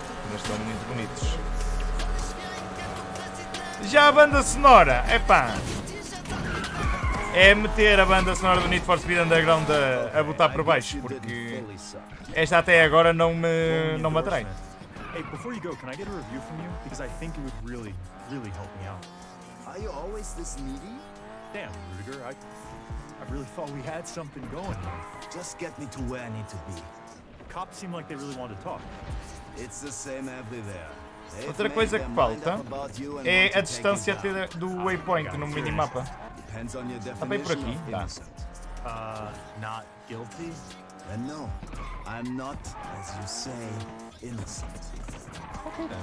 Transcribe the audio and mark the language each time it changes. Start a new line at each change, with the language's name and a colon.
Portuguese: Mas estão muito bonitos. Já a banda sonora, é pá. É meter a banda sonora do Need for Speed Underground a botar por baixo, porque esta até agora não me atrai.
English: Hey, before you go, can I get a review from you? Because I think it would really, really help me out. Are you always this needy? Damn, Rudiger, I really thought we had something going. Just get me to where I need to be. Cops seem like they really want to talk. It's the same everywhere.
Portuguese: Outra coisa que falta é a distância até do waypoint no minimapa. Está bem por aqui, tá.
English: Not guilty? And no, I'm not, as you say, innocent.